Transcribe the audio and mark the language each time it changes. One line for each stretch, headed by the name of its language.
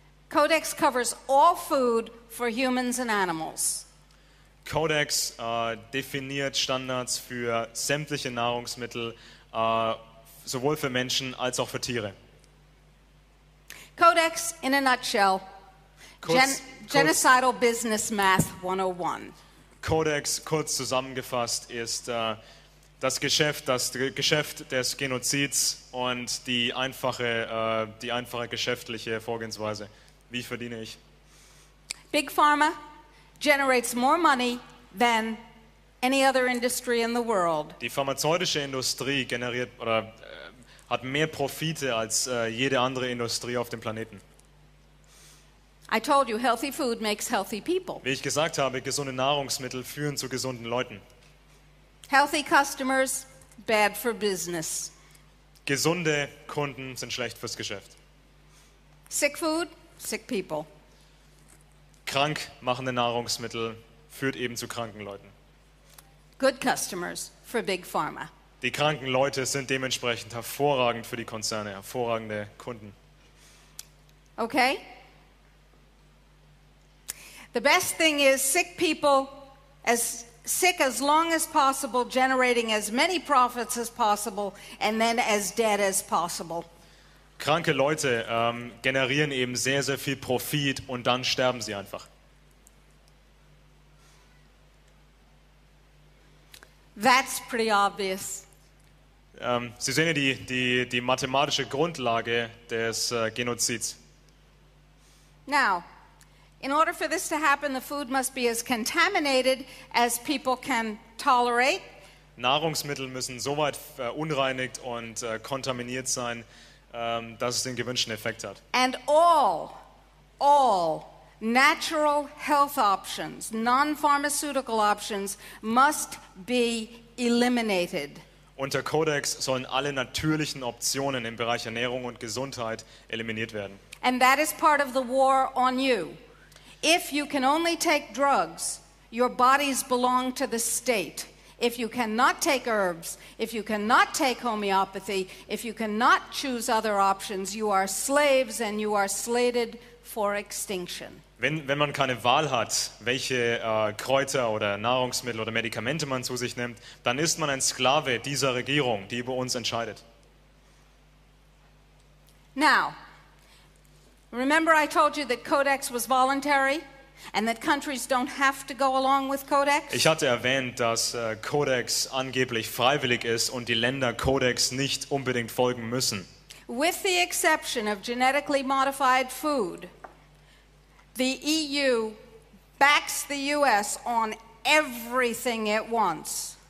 English: Codex covers all food for humans and animals.
German: Codex definiert Standards für sämtliche Nahrungsmittel, sowohl für Menschen als auch für Tiere.
English: Codex in a nutshell. Genocidal business math 101.
German: Codex kurz zusammengefasst ist das Geschäft des Genozids und die einfache geschäftliche Vorgehensweise. Wie verdiene ich?
English: Big Pharma generates more money than any other industry in the world.
German: Die pharmazeutische Industrie generiert oder hat mehr Profite als jede andere Industrie auf dem Planeten.
English: I told you, healthy food makes healthy people.
German: Wie ich gesagt habe, gesunde Nahrungsmittel führen zu gesunden Leuten.
English: Healthy customers, bad for business.
German: Gesunde Kunden sind schlecht fürs Geschäft.
English: Sick food, sick people.
German: Krank machende Nahrungsmittel führt eben zu kranken Leuten.
English: Good customers for Big Pharma.
German: Die kranken Leute sind dementsprechend hervorragend für die Konzerne, hervorragende Kunden.
English: Okay. The best thing is sick people as sick as long as possible, generating as many profits as possible, and then as dead as possible.
German: Kranke Leute generieren eben sehr, sehr viel Profit und dann sterben sie einfach.
English: That's pretty obvious.
German: Sie sehen ja die mathematische Grundlage des Genozids.
English: Now, in order for this to happen, the food must be as contaminated as people can tolerate.
German: Nahrungsmittel müssen soweit verunreinigt und kontaminiert sein, dass es den gewünschten Effekt hat.
English: And all natural health options, non-pharmaceutical options, must be eliminated.
German: Unter Codex sollen alle natürlichen Optionen im Bereich Ernährung und Gesundheit eliminiert werden.
English: And that is part of the war on you. If you can only take drugs, your bodies belong to the state. If you cannot take herbs, if you cannot take homeopathy, if you cannot choose other options, you are slaves and you are slated for extinction.
German: Wenn man keine Wahl hat, welche Kräuter oder Nahrungsmittel oder Medikamente man zu sich nimmt, dann ist man ein Sklave dieser Regierung, die über uns entscheidet.
English: Now, remember I told you that Codex was voluntary and that countries don't have to go along with Codex?
German: Ich hatte erwähnt, dass Codex angeblich freiwillig ist und die Länder Codex nicht unbedingt folgen müssen.
English: With the exception of genetically modified food, the EU backs the US on everything it wants.